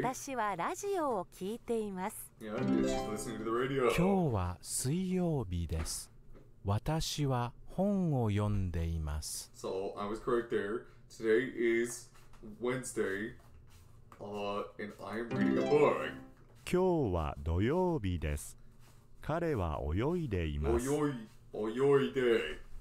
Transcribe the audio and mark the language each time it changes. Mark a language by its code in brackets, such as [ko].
[ja] 私はラジオを聞いています。 [en] Yeah, and she's listening to the radio. [ja] 今日は水曜日です。私は 本を読んでいます。 [en] So I was correct there. Today is Wednesday, and I am reading a book. [ja] 今日は土曜日です。彼は泳いでいます。泳いで。